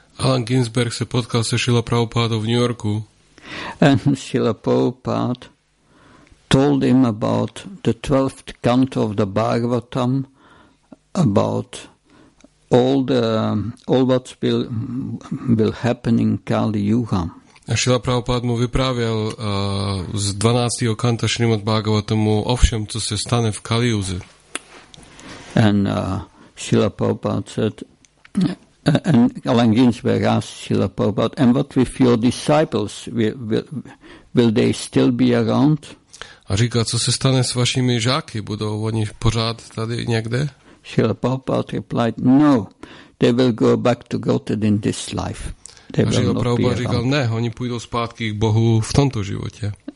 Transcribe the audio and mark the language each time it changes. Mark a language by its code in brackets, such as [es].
[cs] Allen Ginsberg se potkal se Srila Prabhupada v New Yorku. [en] And Srila Prabhupada told him about the 12th canto of the Bhagavatam, about all what will happen in Kali Yuga. [cs] A Srila Prabhupada mu vyprávěl z 12. kanta Srimad Bhagavatamu o všem, co se stane v Kali Yuze. [en] And Srila Prabhupada said, and Allen Ginsberg asked Srila Prabhupada, and what with your disciples, will they still be around? [cs] A říká, co se stane s vašimi žáky, budou oni pořád tady někde? [en] Srila Prabhupada replied, no, they will go back to Godhead in this life. They [cs] a Srila Prabhupada říkal, ne, oni půjdou zpátky k Bohu v tomto životě.